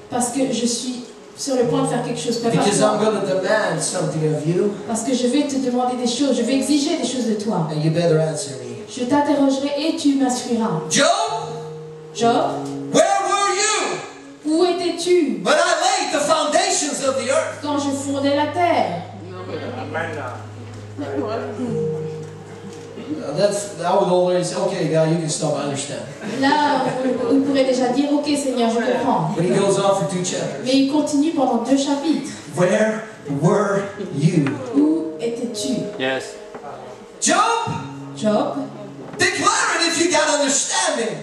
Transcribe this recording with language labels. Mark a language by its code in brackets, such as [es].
[fr] Parce que je suis sur le point de faire quelque chose. Prépare-toi. [en] Because I'm going to demand something of you. [fr] Parce que je vais te demander des choses. Je vais exiger des choses de toi. [en] And you better answer me. [fr] Je t'interrogerai et tu m'instruiras. [en] Job. Where were you? [fr] Où étais-tu? [en] When I laid the foundations of the earth. [fr] Quand je fondais la terre. [en] Amen. That would always okay, God, you can stop. I understand. [fr] Là, on pourrait déjà dire, ok, Seigneur, je comprends. [en] But he goes on for 2 chapters. [fr] Mais il continue pendant 2 chapitres. [en] Where were you? [fr] Où étais-tu? [en] Yes. Job. Declare it if you got understanding.